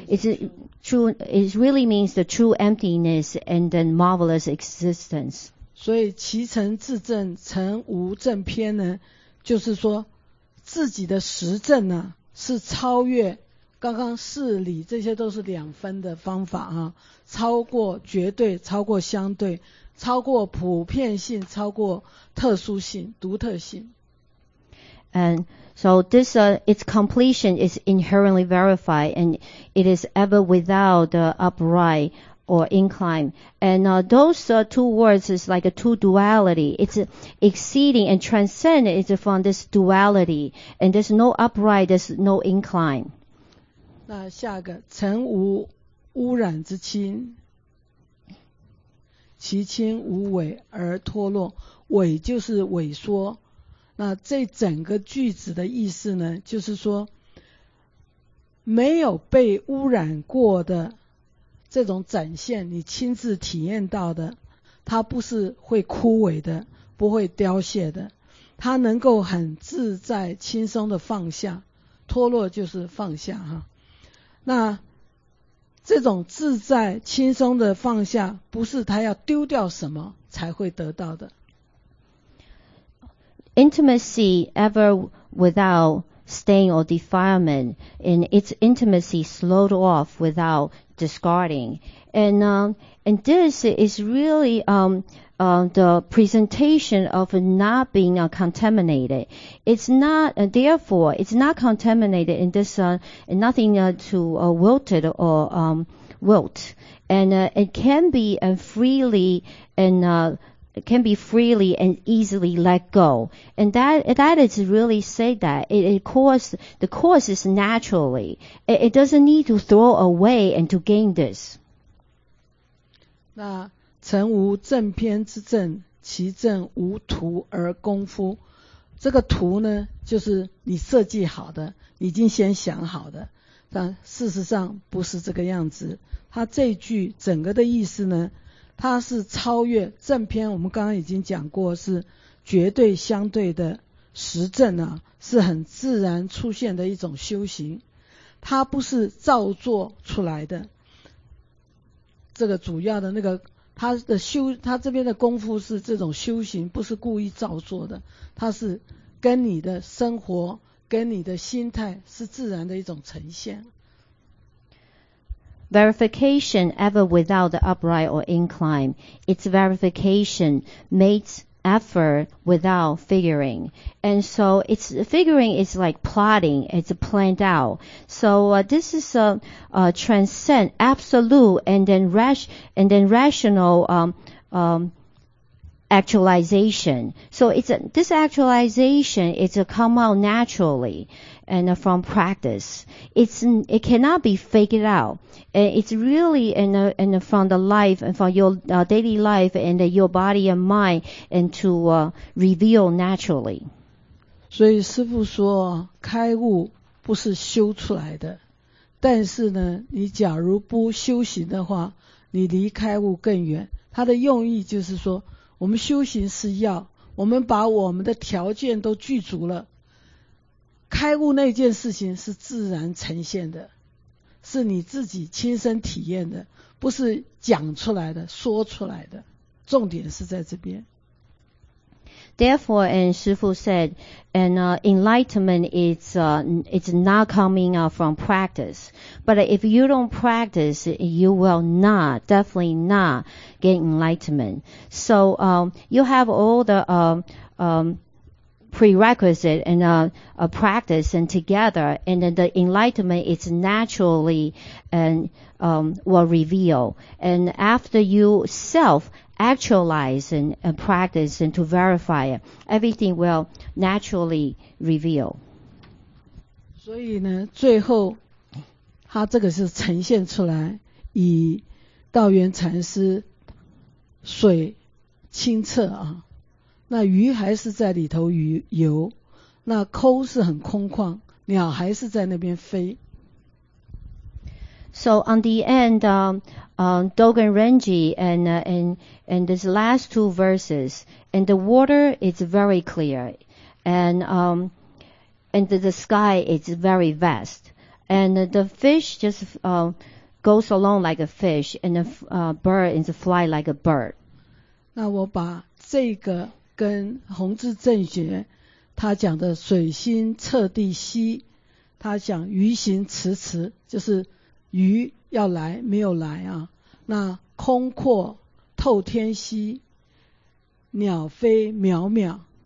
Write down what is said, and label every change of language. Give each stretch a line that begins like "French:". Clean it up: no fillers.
Chinese: 有
English: it really means the true emptiness and then marvelous existence.
Chinese: 所以其成自证成无证篇呢就是说自己的实证呢是超越刚刚事理这些都是两分的方法啊，超过绝对超过相对超过普遍性超过特殊性独特性
English: and so this its completion is inherently verified and it is ever without the upright or incline and those two words is like a two duality it's exceeding and transcend it from this duality and there's no upright there's no incline
Chinese: 那下一个尘无污染之轻其轻无伪而脱落伪就是萎缩那这整个句子的意思呢就是说没有被污染过的这种展现你亲自体验到的它不是会枯萎的不会凋谢的它能够很自在轻松的放下脱落就是放下哈那这种自在轻松的放下不是他要丢掉什么才会得到的
English: Intimacy ever without stain or defilement and its intimacy slowed off without discarding and this is really the presentation of not being contaminated. It's not, therefore, it's not contaminated in this, nothing to wilted or wilt. And it can be freely and can be freely and easily let go. And that is really say that the course is naturally. It doesn't need to throw away and to gain this. Nah.
Chinese: 成无正篇之正其正无图而功夫这个图呢就是你设计好的你已经先想好的但事实上不是这个样子它这一句整个的意思呢它是超越正篇我们刚刚已经讲过是绝对相对的实证啊是很自然出现的一种修行它不是造作出来的这个主要的那个他这边的功夫是这种修行不是故意造作的他是跟你的生活跟你的心态是自然的一种呈现
English: Verification ever without the upright or incline It's verification made effort without figuring And so it's figuring is like plotting It's planned out So this is a transcend absolute and then rational actualization So this actualization is come out naturally and from practice it cannot be faked out it's really in from the life and from your daily life and your body and mind and to reveal naturally
Chinese: 所以师父说开悟不是修出来的但是呢你假如不修行的话你离开悟更远他的用意就是说我们修行是要我们把我们的条件都具足了开悟那件事情是自然呈现的是你自己亲身体验的不是讲出来的说出来的重点是在这边
English: Therefore and 师父 said and enlightenment is not coming from practice but if you don't practice you will not definitely not get enlightenment so you have all the prerequisite and a practice and together and then the enlightenment is naturally and will reveal and after you self actualize and practice and to verify it, everything will naturally reveal
Chinese: 所以呢最后他这个是呈现出来以道元禅师水清澈啊那鱼还是在里头游那空是很空旷鸟还是在那边飞
English: So on the end Dogen Renji and this last two verses and the water is very clear and and the sky is very vast. And the fish just goes along like a fish, and the bird is fly like a bird.
Chinese: 那我把这个跟弘智正觉他讲的水星彻地息，他讲鱼行迟迟，就是鱼要来没有来啊。那空阔透天息，鸟飞渺渺。